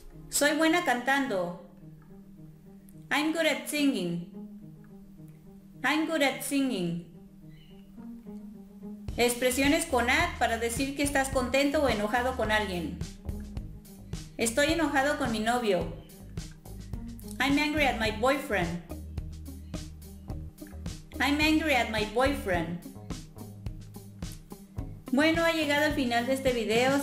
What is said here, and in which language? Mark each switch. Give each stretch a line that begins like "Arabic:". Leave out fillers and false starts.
Spanish: Soy buena cantando.
English: I'm good at singing. I'm good at singing.
Spanish: Expresiones con at para decir que estás contento o enojado con alguien. Estoy enojado con mi novio.
English: I'm angry at my boyfriend. I'm angry at my boyfriend.
Spanish: Bueno, ha llegado el final de este video.